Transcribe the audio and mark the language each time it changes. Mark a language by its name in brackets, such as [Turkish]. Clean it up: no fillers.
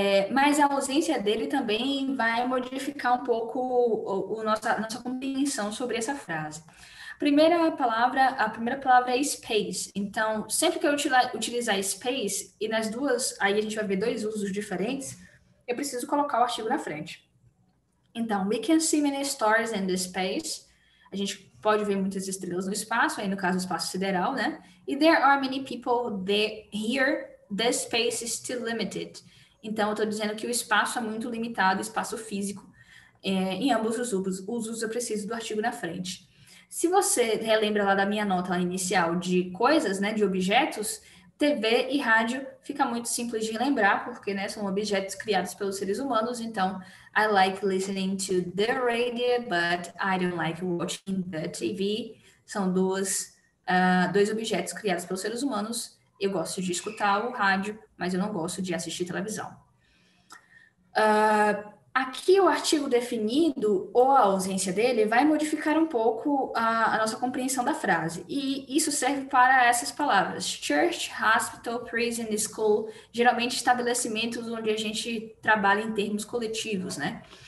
[Portuguese] Mas a ausência dele também vai modificar um pouco o nossa compreensão sobre essa frase. A primeira palavra é space. Então, sempre que eu utilizar space, e nas duas, aí a gente vai ver dois usos diferentes, eu preciso colocar o artigo na frente. [English] Então, we can see many stars in the space. [Portuguese] A gente pode ver muitas estrelas no espaço, aí no caso, espaço sideral, né? [English] E there are many people there, here, the space is still limited. [Portuguese] Então, eu estou dizendo que o espaço é muito limitado, espaço físico, em ambos os usos, eu preciso do artigo na frente. Se você relembra lá da minha nota lá inicial de coisas, né, de objetos, TV e rádio fica muito simples de lembrar, porque, né, são objetos criados pelos seres humanos. [English] Então, I like listening to the radio, but I don't like watching the TV. [Portuguese] São dois objetos criados pelos seres humanos. Eu gosto de escutar o rádio, mas eu não gosto de assistir televisão. Aqui o artigo definido ou a ausência dele vai modificar um pouco a nossa compreensão da frase. E isso serve para essas palavras: church, hospital, prison, school, geralmente estabelecimentos onde a gente trabalha em termos coletivos, né?